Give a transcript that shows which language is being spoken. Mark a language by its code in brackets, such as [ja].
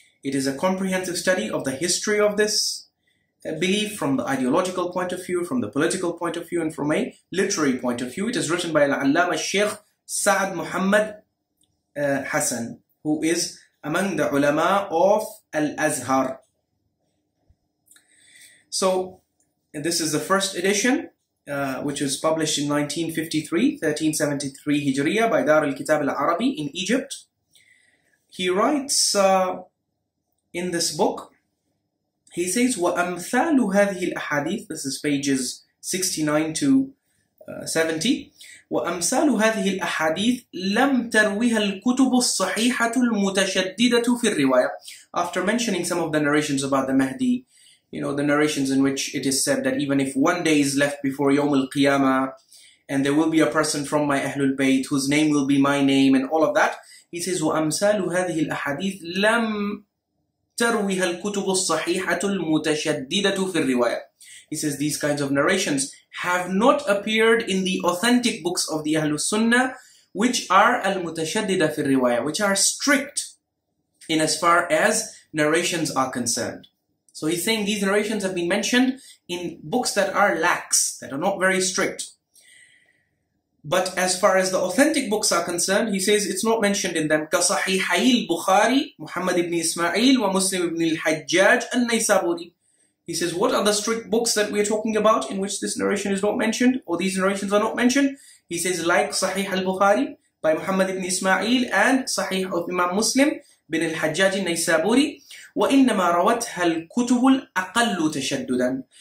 [en] It is a comprehensive study of the history of this belief from the ideological point of view, from the political point of view, and from a literary point of view. It is written by Al-Allama Sheikh Sa'ad Muhammad Hassan, who is among the ulama of Al-Azhar. So this is the first edition, which was published in 1953, 1373 Hijriya, by Dar al-Kitab al-Arabi in Egypt. He writes in this book, he says, [ar] وَأَمْثَالُ هَذِهِ الْأَحَادِيثِ, [en] this is pages 69 to 70, [ar] وَأَمْثَالُ هَذِهِ الْأَحَادِيثِ لَمْ تَرْوِهَا الْكُتُبُ الصَّحِيحَةُ الْمُتَشَدِّدَةُ فِي الرِّوَايَةِ. [en] After mentioning some of the narrations about the Mahdi, you know, the narrations in which it is said that even if one day is left before يوم القيامة, and there will be a person from my Ahlul Bayt whose name will be my name and all of that, he says, [ar] وَأَمْثَالُ هَذِهِ الْأَحَادِيثِ لَمْ تَرْوِهَا الْكُتُبُ الصَّحِيحَةُ الْمُتَشَدِّدَةُ فِي الرِّوَايَةِ. [en] He says these kinds of narrations have not appeared in the authentic books of the Ahlul Sunnah, which are [ar] al-mutashaddida fi riwaya, [en] which are strict in as far as narrations are concerned. So he's saying these narrations have been mentioned in books that are lax, that are not very strict. But as far as the authentic books are concerned, he says it's not mentioned in them. [ar] كَصَحِيحَيِ الْبُخَارِ مُحَمَّدِ ibn إِسْمَعِيلِ وَمُسْلِمِ ibn الْحَجَّاجِ النَّيْسَابُورِ. [en] He says, what are the strict books that we are talking about in which this narration is not mentioned, or these narrations are not mentioned? He says, like Sahih al-Bukhari by Muhammad ibn Ismail and Sahih of Imam Muslim bin al-Hajjaj al-Naysaburi. [ar] وَإِنَّمَا رَوَتْهَا الْكُتُبُ الْأَقَلُّ تَشَدُّدًا.